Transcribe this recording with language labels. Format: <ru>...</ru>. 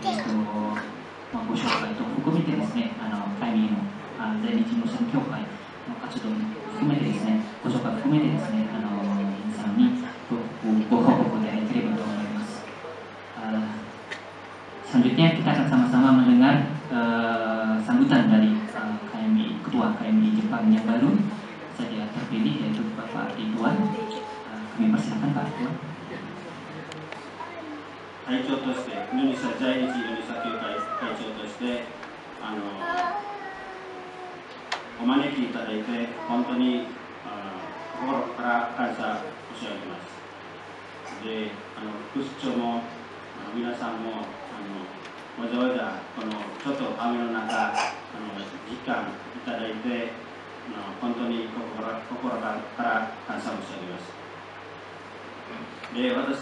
<ja>ご紹介と含めてですね、タイミングの在日ムスリム協会の活動も含めてですね、ご紹介を含めてですね、皆さんにご報告でありたいと思います。</ja> <id>selanjutnya kita akan sama-sama mendengar sambutan dari KMI Ketua KMI Jepang yang baru saja terpilih yaitu Bapak Ridwan. Kami persilakan Pak Ridwan.</id> <ja>会長として、ヌミサ在日ヌミサ協会会長としてお招きいただいて、本当に心から感謝申し上げます。で、副市長も皆さんもわざわざこのちょっと雨の中時間いただいて、本当に心から感謝申し上げます。</ja>